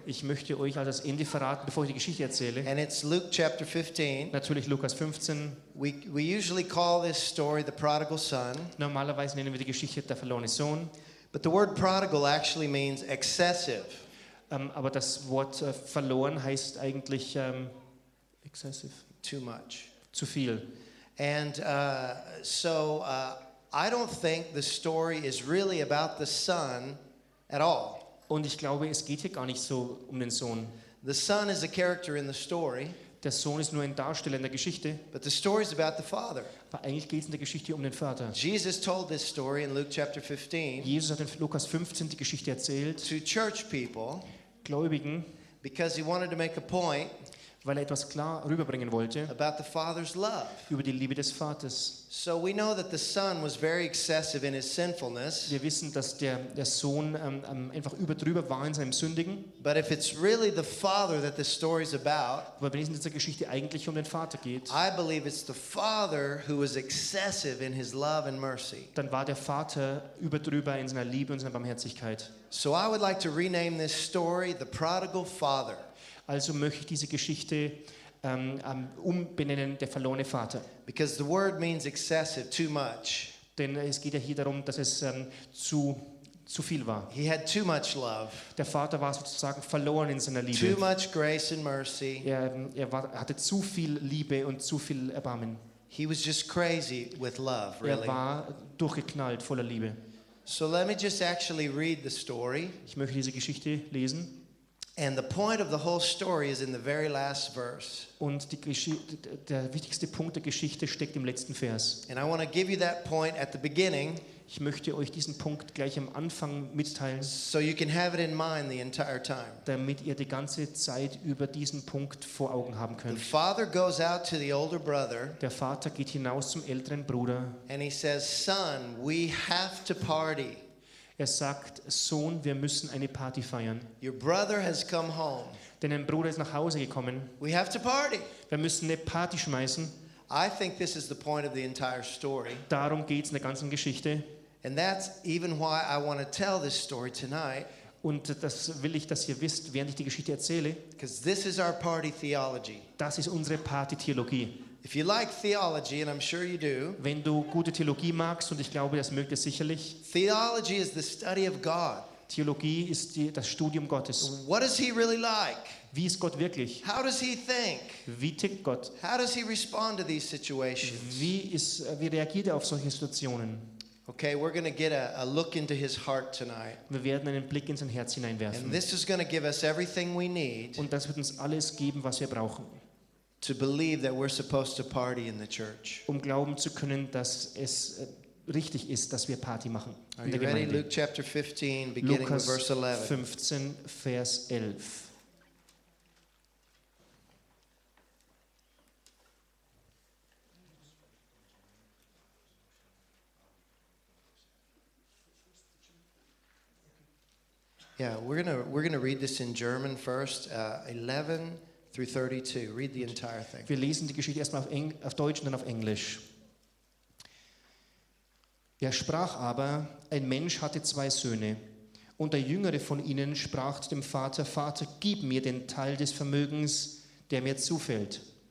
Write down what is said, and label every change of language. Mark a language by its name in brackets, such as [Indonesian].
[German] Ich möchte euch also das Ende verraten, bevor ich die Geschichte erzähle. [English] And it's Luke chapter 15. [German] Natürlich Lukas 15. [English] We usually call this story the prodigal son. [German] Normalerweise nennen wir die Geschichte der verlorene Sohn. [English] But the word prodigal actually means excessive. [German] Aber das Wort verloren heißt eigentlich excessive. [English] Too much. [German] Zu viel. [English] And I don't think the story is really about the son at all. [German] Und ich glaube, es geht hier gar nicht so um den Sohn. [English] The son is a character in the story. [German] Der Sohn ist nur ein Darsteller in der Geschichte. [English] But the story is about the father. [German] Aber eigentlich geht es in der Geschichte um den Vater. [English] Jesus told this story in Luke chapter 15. [German] Jesus hat in Lukas 15 die Geschichte erzählt. [English] To church people. [German] Gläubigen. [English] Because he wanted to make a point. [German] Weil er etwas klar rüberbringen wollte, [English] about the Father's love. [German] Über die Liebe des Vaters. [English] So we know that the Son was very excessive in his sinfulness. [German] Wir wissen, dass der Sohn einfach überdrüber war in seinem Sündigen. [English] But if it's really the Father that this story is about, [German] aber wenn es in dieser Geschichte eigentlich um den Vater geht, [English] I believe it's the Father who was excessive in his love and mercy. [German] Dann war der Vater überdrüber in seiner Liebe und seiner Barmherzigkeit. [English] So I would like to rename this story the Prodigal Father. [German] Also möchte ich diese Geschichte umbenennen, der verlorene Vater. [English] Because the word means excessive, too much. [German] Denn es geht ja hier darum, dass es zu viel war. [English] He had too much love. [German] Der Vater war sozusagen verloren in seiner Liebe. [English] Too much grace and mercy. [German] Er hatte zu viel Liebe und zu viel Erbarmen. [English] He was just crazy with love, really. [German] Er war durchgeknallt voller Liebe. [English] So let me just actually read the story. [German] Ich möchte diese Geschichte lesen. [English] And the point of the whole story is in the very last verse. [German] Und der wichtigste Punkt der Geschichte steckt im letzten Vers. [English] And I want to give you that point at the beginning. [German] Ich möchte euch diesen Punkt gleich am Anfang mitteilen. [English] So you can have it in mind the entire time. [German] Damit ihr die ganze Zeit über diesen Punkt vor Augen haben könnt. [English] The father goes out to the older brother. [German] Der Vater geht hinaus zum älteren Bruder. [English] And he says, "Son, we have to party." [German] Er sagt, Sohn, wir müssen eine Party feiern. [English] Your brother has come home. [German] Denn ein Bruder ist nach Hause gekommen. [English] We have to party. [German] Wir müssen eine Party schmeißen. [English] I think this is the point of the entire story. [German] Darum geht's in der ganzen Geschichte. [English] And that's even why I want to tell this story tonight. [German] Und das will ich, dass ihr wisst, während ich die Geschichte erzähle. [English] Because this is our party theology. [German] Das ist unsere Party-Theologie. [English] If you like theology, and I'm sure you do. [German] Wenn du gute Theologie magst, und ich glaube, das mögt ihr sicherlich. [English] Theology is the study of God. [German] Theologie ist das Studium Gottes. [English] What is he really like? [German] Wie ist Gott wirklich? [English] How does he think? [German] Wie tickt Gott? [English] How does he respond to these situations? [German] Wie reagiert er auf solche Situationen? [English] Okay, we're going to get a look into his heart tonight. [German] Wir werden einen Blick in sein Herz hineinwerfen. [English] And this is going to give us everything we need. [German] Und das wird uns alles geben, was wir brauchen. [English] To believe that we're supposed to party in the church. [German] Um glauben zu können, dass es richtig ist, dass wir Party machen. [English] Are you ready? Luke chapter 15, beginning with verse 11. [German] Lukas 15, Vers 11. [English] Yeah, we're gonna read this in German first. 11. Through 32. Read the entire thing. [German] Wir lesen die Geschichte erstmal auf Deutsch und dann auf Englisch. Er sprach aber, ein Mensch hatte zwei Söhne. Und der Jüngere von ihnen sprach zu dem Vater, Vater, gib mir den Teil des Vermögens, der mir zufällt.